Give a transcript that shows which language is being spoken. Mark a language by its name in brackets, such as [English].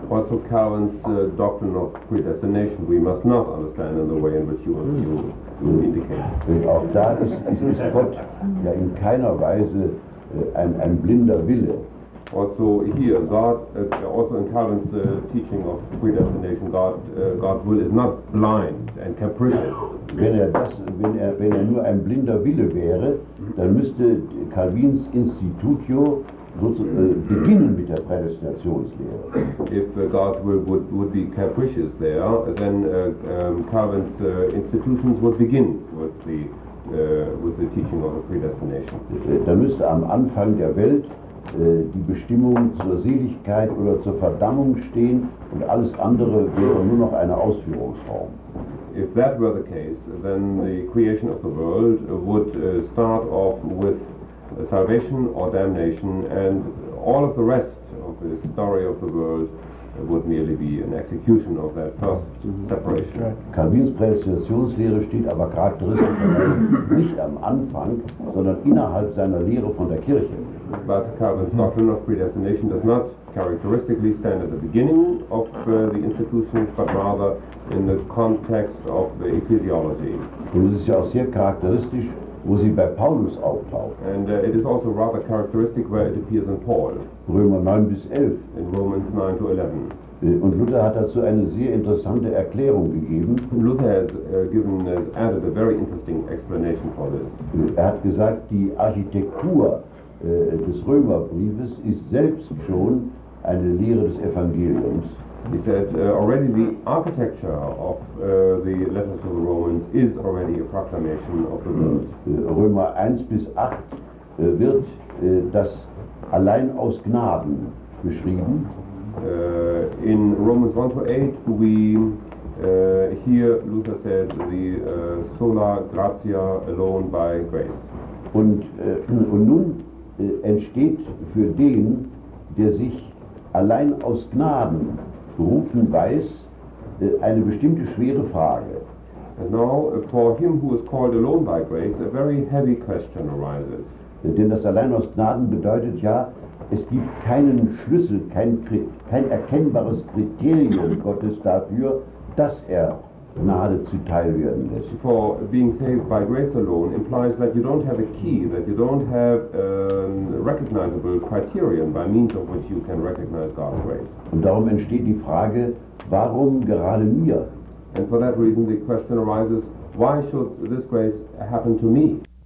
[English] Also Calvin's doctrine of predestination we must not understand in the way in which you indicate. [German] Auch da ist Gott ja in keiner Weise ein blinder Wille. [English] Also here, God, also in Calvin's teaching of predestination, God's will is not blind and capricious. [German] Wenn er nur ein blinder Wille wäre, dann müsste Calvins Institutio beginnen mit der Prädestinationslehre. [English] If God's will would be capricious there, then Calvin's institutions would begin with the teaching of the predestination. [German] Da müsste am Anfang der Welt die Bestimmung zur Seligkeit oder zur Verdammung stehen und alles andere wäre nur noch eine Ausführungsform. [English] If that were the case, then the creation of the world would start off with salvation or damnation and all of the rest of the story of the world would merely be an execution of that first separation. [German] Calvins Prädestinationslehre steht aber charakteristisch nicht am Anfang, sondern innerhalb seiner Lehre von der Kirche. [English] But Calvin's doctrine of predestination does not characteristically stand at the beginning of the institutions, but rather in the context of the ecclesiology. [German] Und es ist ja auch sehr charakteristisch, wo sie bei Paulus auftaucht. [English] And it is also rather characteristic where it appears in Paul. [German] Römer 9 bis 11. [English] In Romans 9 to 11. [German] Und Luther hat dazu eine sehr interessante Erklärung gegeben. [English] Luther has given, has added a very interesting explanation for this. [German] Er hat gesagt, die Architektur des Römerbriefes ist selbst schon eine Lehre des Evangeliums. [English] He said, already the architecture of the letters to the Romans is already a proclamation of the world. [German] Römer 1 bis 8 wird das allein aus Gnaden beschrieben. [English] In Romans 1 to 8 we hear Luther said the sola gratia alone by grace. [German] Und nun entsteht für den, der sich allein aus Gnaden berufen weiß, eine bestimmte schwere Frage. [English] And now, for him who is called alone by grace, a very heavy question arises. [German] Denn das allein aus Gnaden bedeutet ja, es gibt keinen Schlüssel, kein erkennbares Kriterium Gottes dafür, dass er Gnade zuteil werden lässt. [English] For being saved by grace alone implies that you don't have a key, that you don't have a recognizable criterion by means of which you can recognize God's grace. [German] Und darum entsteht die Frage, Warum gerade mir? [English] And for that reason, the question arises, why should this grace happen to me?